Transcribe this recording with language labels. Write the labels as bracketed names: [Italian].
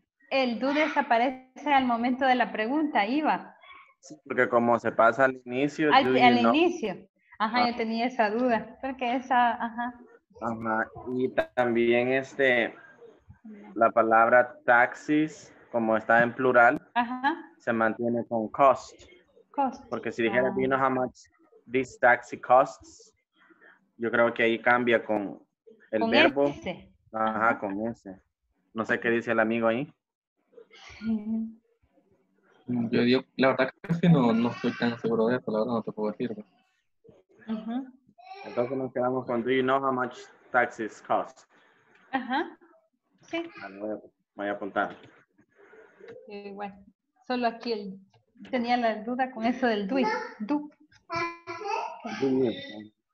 [Spanish] El do desaparece al momento de la pregunta, Iva. Sí, porque como se pasa al inicio, al, [English] do you al know? [Spanish] Inicio. Ajá, ah. Yo tenía esa duda, porque esa, ajá. Ajá, y también este, la palabra taxis, como está en plural, ajá. Se mantiene con cost. Cost. Porque si dijera, [English] do you know how much this taxi costs? [Spanish] Yo creo que ahí cambia con el con verbo. Ese. Ajá, ajá, con ese. No sé qué dice el amigo ahí. Yo digo, la verdad que casi no, no estoy tan seguro de eso, la verdad no te puedo decir. Uh-huh. Entonces nos quedamos con, [English] do you know how much taxes cost? Ajá, uh-huh. [Spanish] Sí. Voy a apuntar. Bueno, solo aquí el, tenía la duda con eso del do. [English] Do. Okay.